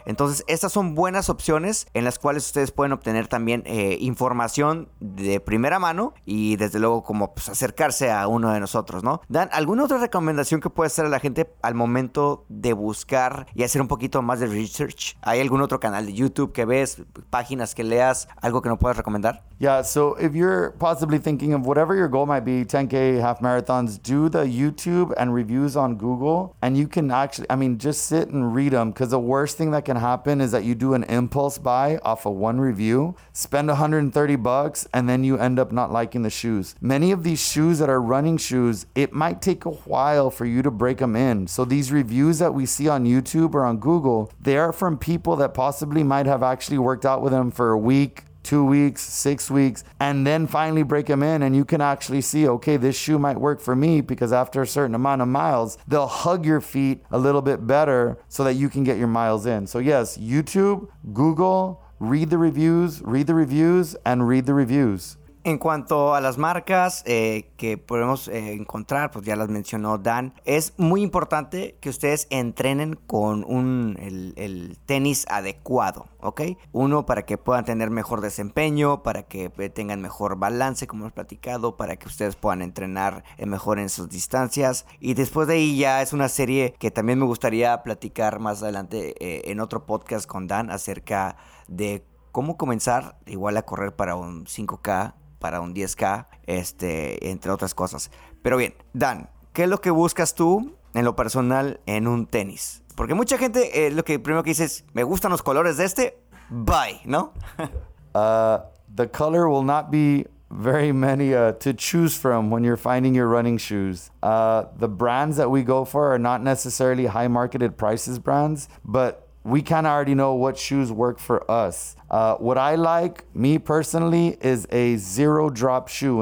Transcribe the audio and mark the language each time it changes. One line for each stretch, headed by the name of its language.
Spanish: Entonces, estas son buenas opciones en las cuales ustedes pueden obtener también información de primera mano y desde luego como pues, acercarse a uno de nosotros, ¿no? Dan, ¿alguna otra recomendación que puedes hacer a la gente al momento de buscar y hacer un poquito más de
English: research?
Spanish: ¿Hay algún otro canal de YouTube que ves, páginas que leas, algo que no puedas recomendar?
English: Yeah, so if you're possibly thinking of whatever your goal might be, 10K, half marathons, do the YouTube and reviews on Google, and you can actually, I mean, just sit and read them, because the worst thing that can happen is that you do an impulse buy off of one review, spend $130, and then you end up not liking the shoes. Many of these shoes that are running shoes, it might take a while for you to break them in. So these reviews that we see on YouTube or on Google, they are from people that possibly might have actually worked out with them for a week, 2 weeks, 6 weeks, and then finally break them in, and you can actually see, okay, this shoe might work for me, because after a certain amount of miles, they'll hug your feet a little bit better so that you can get your miles in. So yes, YouTube, Google, Read the reviews, and read the reviews.
Spanish: En cuanto a las marcas que podemos encontrar, pues ya las mencionó Dan, es muy importante que ustedes entrenen con el tenis adecuado, ¿ok? Uno para que puedan tener mejor desempeño, para que tengan mejor balance, como hemos platicado, para que ustedes puedan entrenar mejor en sus distancias. Y después de ahí ya es una serie que también me gustaría platicar más adelante en otro podcast con Dan acerca de cómo comenzar igual a correr para un 5K, para un 10K, entre otras cosas. Pero bien, Dan, ¿qué es lo que buscas tú en lo personal en un tenis? Porque mucha gente lo que primero que dice es, me gustan los colores de este, bye, ¿no?
English: The color will not be very many to choose from when you're finding your running shoes. The brands that we go for are not necessarily high marketed prices brands, but we kind of already know what shoes work for us. What I like, me personally, is a zero drop shoe.